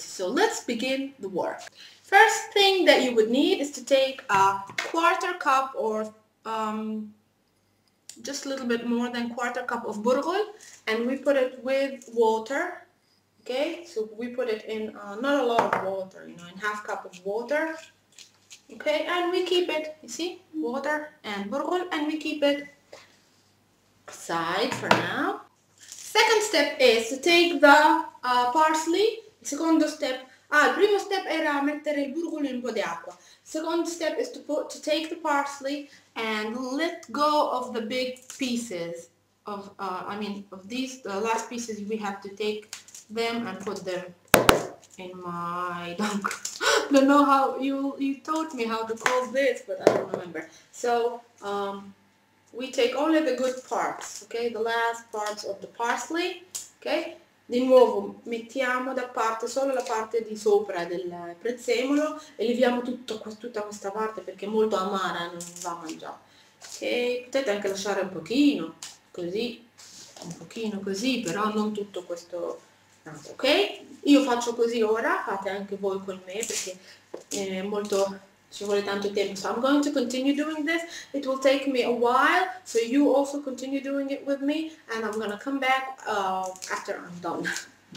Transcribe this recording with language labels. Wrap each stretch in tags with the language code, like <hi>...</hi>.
<en>So let's begin the work. First thing that you would need is to take a quarter cup or just a little bit more than quarter cup of burrul, and we put it with water. Okay, so we put it in not a lot of water, you know, in half cup of water. Okay, and we keep it, you see, water and burrul, and we keep it aside for now. Second step is to take the parsley.</en> <it>Secondo step, il primo step era mettere il burrul in un po' di acqua.</it> <en>Second step is to take the parsley and let go of the big pieces of the last pieces. We have to take them and put them in my dunk. Don't know how you taught me how to call this, but I don't remember. So we take only the good parts, okay? The last parts of the parsley, okay?</en> <it>Di nuovo, mettiamo da parte solo la parte di sopra del prezzemolo, eleviamo tutta questa parte perché è molto amara, non va mangiare. Okay? Potete anche lasciare un pochino così, però non tutto questo tanto, ok? Io faccio così ora, fate anche voi con me perché è molto... ci vuole tanto tempo.</it> <en>So I'm going to continue doing this. It will take me a while, so you also continue doing it with me, and I'm gonna come back after I'm done.</en>